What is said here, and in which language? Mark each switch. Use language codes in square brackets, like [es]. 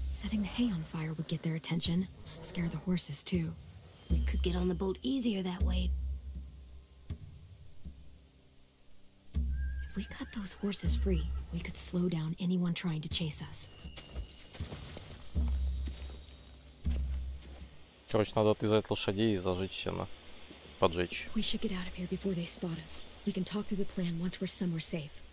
[en] Setting the hay on fire would get their attention. Scare the horses too. We could get on the boat easier that way. If we got those horses free, we could slow down anyone trying to chase us. [ru] Короче, надо отвязать лошадей и зажечь сено. Поджечь. [en] We should get out of here before they spot us. We can talk through the plan once we're somewhere safe.